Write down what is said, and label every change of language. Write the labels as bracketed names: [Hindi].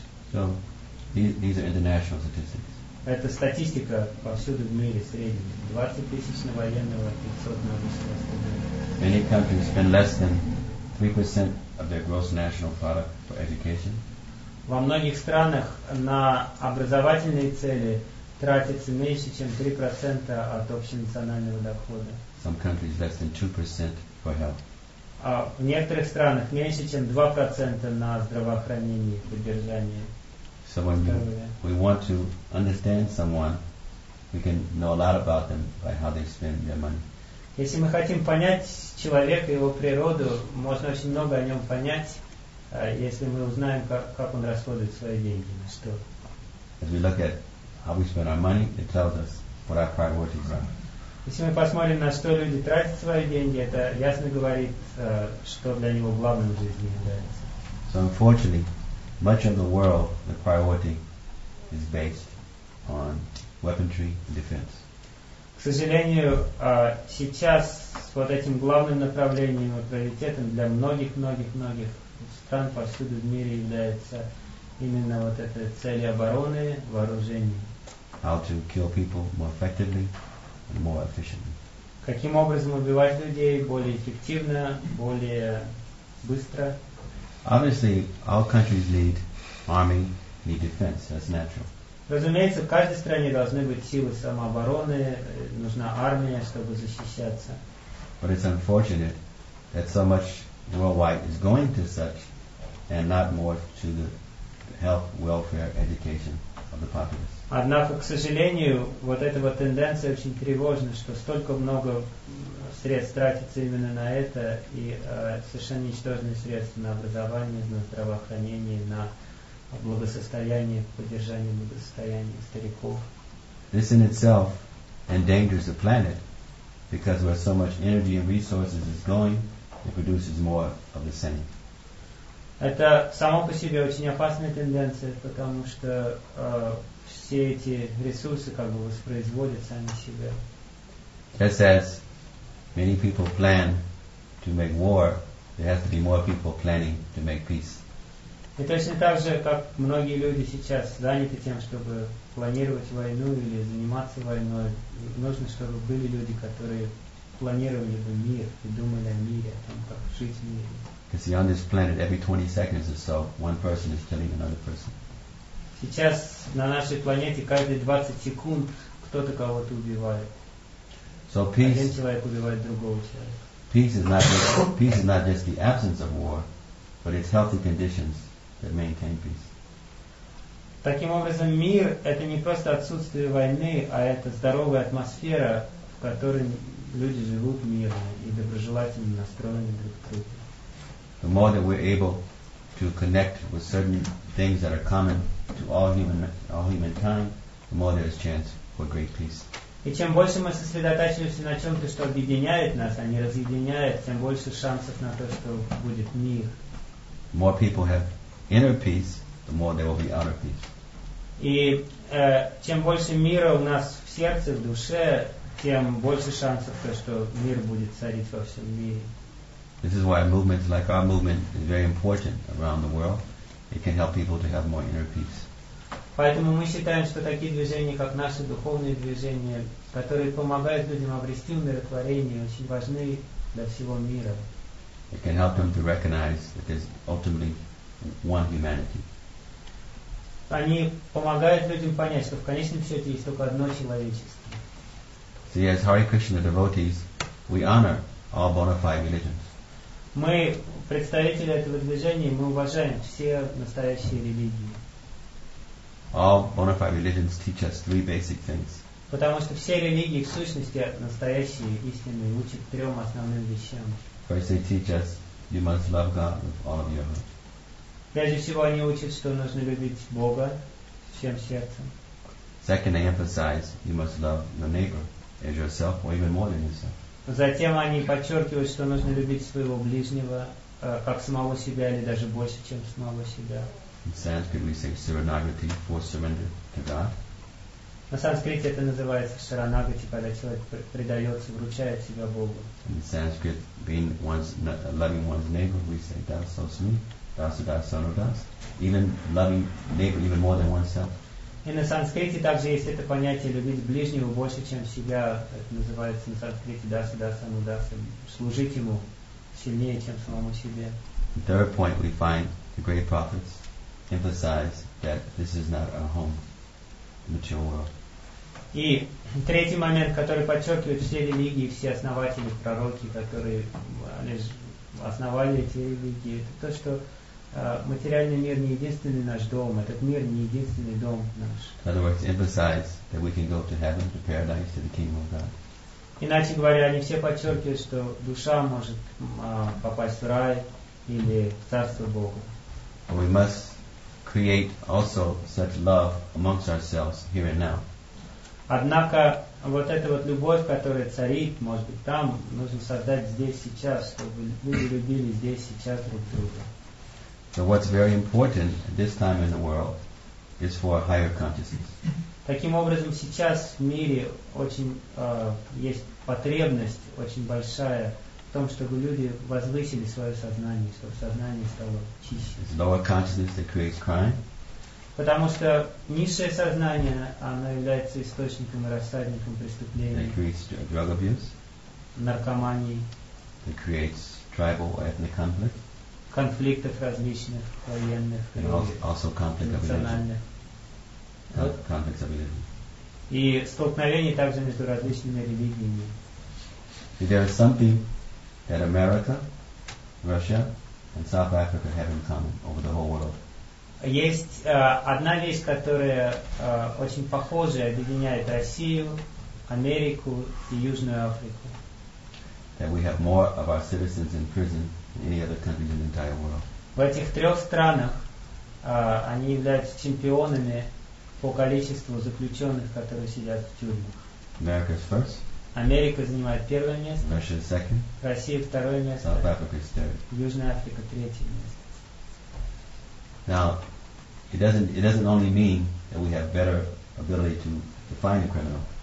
[English] So, these are international statistics. [Russian] Это статистика повсюду в мире средняя. 20 тысяч на военного, 500 на обычного студента. [English] Many countries spend less than 3% of their gross national product for education. [Russian] Во многих странах на образовательные цели тратится меньше, чем 3% от общенационального дохода. [English] Some countries less than 2% for health. [Russian] В некоторых странах меньше, чем 2% на здравоохранение и поддержание. [English] So when we want to understand someone, we can know a lot about them by how they spend their money. [Russian] Если мы хотим понять человека, его природу, можно очень много о нем понять, если мы узнаем, как он расходует свои деньги, на что. [English] As we look at how we spend our money, it tells us what our priorities are. [Russian] Если мы посмотрим, на что люди тратят свои деньги, это ясно говорит, что для него главным в жизни является. [English] So unfortunately, much of the world, the priority is based on weaponry and defense. [Russian] К сожалению, сейчас вот этим главным направлением и приоритетом для многих стран повсюду в мире является именно вот эта цель обороны, вооружения. [English] How to kill people more effectively. More efficiently. [Russian] Каким образом убивать людей более эффективно, более быстро? [English] Obviously, all countries need army, need defense. That's natural. [Russian] Разумеется, в каждой стране должны быть силы самообороны, нужна армия, чтобы защищаться. [English] But it's unfortunate that so much worldwide is going to such, and not more to the health, welfare, education of the populace. [Russian] Однако, к сожалению, вот эта вот тенденция очень тревожна, что столько много средств тратится именно на это, и совершенно ничтожные средства на образование, на здравоохранение, на благосостояние, поддержание благосостояния стариков. [English] This in itself endangers the planet, because where so much energy and resources is going, it produces more of the same. [Russian] Это само по себе очень опасная тенденция, потому что все эти ресурсы как бы воспроизводят сами себя. [English] Just as many people plan to make war, there has to be more people planning to make peace. [Russian] И точно так же, как многие люди сейчас заняты тем, чтобы планировать войну или заниматься войной, нужно, чтобы были люди, которые планировали бы мир и думали о мире, о том, как жить в мире. [English] Because on this planet, every 20 seconds or so, one person is killing another person. [Russian] Сейчас на нашей планете каждые 20 секунд кто-то кого-то убивает. [English] So peace. [Russian] Один человек убивает другого человека. [English] Peace is not just the absence of war, but it's healthy conditions that maintain peace. [Russian] Таким образом, мир — это не просто отсутствие войны, а это здоровая атмосфера, в которой люди живут мирно и доброжелательно настроены друг к другу. [English] The more that we're able to connect with certain things that are common to all humankind, the more there is chance for great peace. [Russian] И чем больше мы сосредотачиваемся на чем-то, что объединяет нас, а не разъединяет, тем больше шансов на то, что будет мир. [English] The more people have inner peace, the more there will be outer peace. [Russian] И чем больше мира у нас в сердце, в душе, тем больше шансов то, что мир будет царить во всем мире. [English] This is why movements like our movement is very important around the world. it can help people to have more inner peace. [Russian] Поэтому мы считаем, что такие движения, как наши духовные движения, которые помогают людям обрести умиротворение, очень важны для всего мира. [English] It can help them to recognize that there's ultimately one humanity. [Russian] Они помогают людям понять, что в конечном счете есть только одно человечество. [English] See, as Hare Krishna devotees, we honor all bona fide religions. [Russian] Мы, представители этого движения, мы уважаем все настоящие религии. [English] All bona fide religions teach us three basic things. [Russian] Потому что все религии, в сущности, настоящие, истинные, учат трем основным вещам. [English] First, they teach us you must love God with all of your heart. [Russian] Прежде всего, они учат, что нужно любить Бога всем сердцем. [English] Second, they emphasize you must love your neighbor as yourself, or even more than yourself. [Russian] Затем они подчеркивают, что нужно любить своего ближнего как самого себя или даже больше, чем самого себя. [English] In Sanskrit, we say Saranagati, full surrender to God. [Russian] На санскрите это называется Шаранагати, когда человек предается, вручает себя Богу. [English] In Sanskrit, being one's loving one's neighbor, we say Dasa Sumi, Dasa Dasa Sano Das. Even loving neighbor even more than oneself. [Russian] И на санскрите также есть это понятие любить ближнего больше, чем себя. Это называется на санскрите Dasa Dasa Sano Das. Служить ему сильнее, чем самому себе. [English] The third point we find the great prophets emphasize that this is not our home. [Russian] И третий момент, который подчеркивает все религии, все основатели, пророки, которые основали эти религии, это то, что материальный мир не единственный наш дом, этот мир не единственный дом наш. [English] In other words, emphasize that we can go to heaven, to paradise, to the kingdom of God. [Russian] Иначе говоря, они все подчеркивают, что душа может попасть в рай или в царство Бога. [English] We must create also such love amongst ourselves here and now. [Russian] Однако вот эта вот любовь, которая царит, может быть, там, нужно создать здесь сейчас, чтобы люди любили здесь сейчас друг друга. [English] So what's very important at this time in the world is for higher consciousness. [Russian] Таким образом, сейчас в мире очень есть потребность очень большая в том, чтобы люди возвысили свое сознание, чтобы сознание стало чище. [English] It's lower consciousness that creates crime. [Russian] Потому что низшее сознание, оно является источником и рассадником преступлений. [English] That creates drug abuse. [Russian] Наркомании. [English] That creates tribal or ethnic conflict. [Russian] Конфликтов различных, военных. [English] Also conflict of religion. Conflicts of religion. [Russian] И столкновений также между различными религиями. [English] If there is something that America, Russia, and South Africa have in common over the whole world. [Russian] Есть одна вещь, которая очень похожая, объединяет Россию, Америку и Южную Африку. [English] That we have more of our citizens in prison than any other country in the entire world. [Russian] В этих трех странах они являются чемпионами по количеству заключенных, которые сидят в тюрьмах. [English] America is first. [Russian] Америка занимает первое место. [English] Russia is second. [Russian] Россия второе место. [English] South Africa is third. [Russian] Южная Африка третье место. [English] Now, it doesn't only mean that we have better ability to define a criminal.